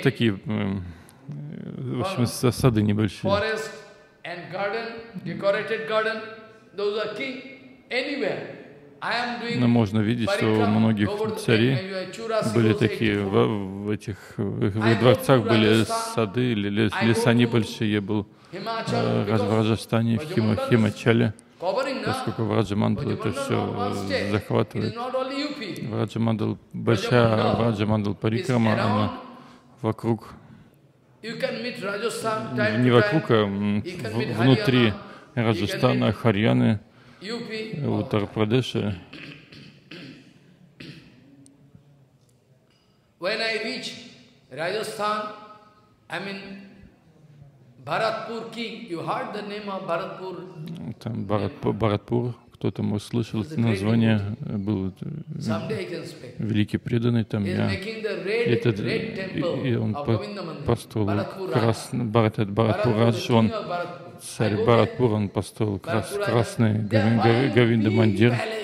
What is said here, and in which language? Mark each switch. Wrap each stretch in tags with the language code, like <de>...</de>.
<ru>такие, в общем, сады небольшие.</ru> <en>Forest and garden, decorated garden, those are key anywhere.</en> <ru>Но можно видеть, что у многих царей были такие, в дворцах были сады или леса небольшие. Я был в Раджастане, в Химачале. Поскольку Враджамандал это все захватывает. Враджамандал, большая Враджамандал Парикрама, она вокруг, не вокруг, а внутри Раджастана, Харьяны, Уттар-Прадеша.</ru> <en>When I reach Rajasthan, I mean Bharatpur king. You heard the name of Bharatpur?</en> <ru>Там Bharatpur. Кто-то мог слышал название? Был великий преданный там. Я этот и он построил красный Bharatpur Raj. Он царь Bharatpur. Он построил красный Говинда мандир.</ru>